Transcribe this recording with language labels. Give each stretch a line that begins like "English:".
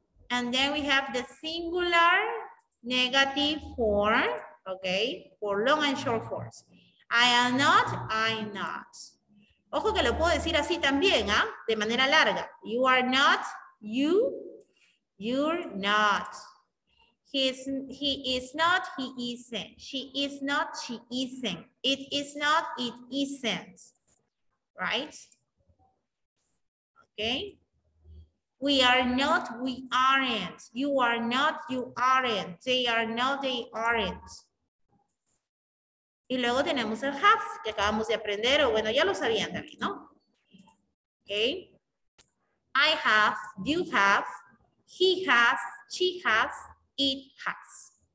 English: And then we have the singular negative form. Okay. For long and short forms. I am not, I'm not.
Spanish: Ojo que lo puedo decir así también, ¿eh? De manera larga.
English: You are not, you, you're not. He is not, he isn't. She is not, she isn't. It is not, it isn't. Right? Okay. We are not, we aren't. You are not, you aren't. They are not, they aren't.
Spanish: Y luego tenemos el have que acabamos de aprender, o bueno, ya lo sabían también, ¿no?
English: Okay. I have, you have, he has, she has, it has.